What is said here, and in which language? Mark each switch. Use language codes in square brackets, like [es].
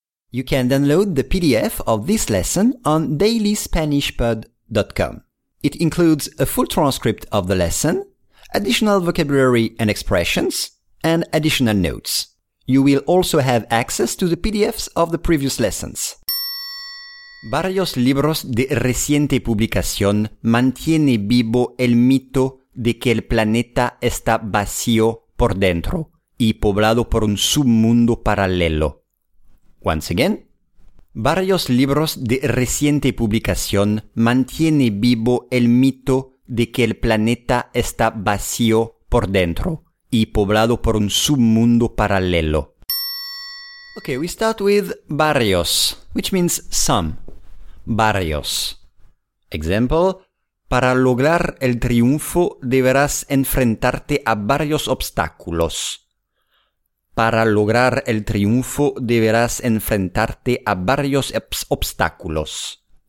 [en] You can download the PDF of this lesson on dailyspanishpod.com. It includes a full transcript of the lesson, additional vocabulary and expressions, and additional notes. You will also have access to the PDFs of the previous lessons. [es] Varios libros de reciente publicación mantiene vivo el mito de que el planeta está vacío por dentro y poblado por un submundo paralelo. [en] Once again. [es] Varios libros de reciente publicación mantiene vivo el mito de que el planeta está vacío por dentro y poblado por un submundo paralelo. [en] Okay, we start with varios, which means some. [es] Varios. Example, para lograr el triunfo deberás enfrentarte a varios obstáculos. Para lograr el triunfo deberás enfrentarte a varios obstáculos.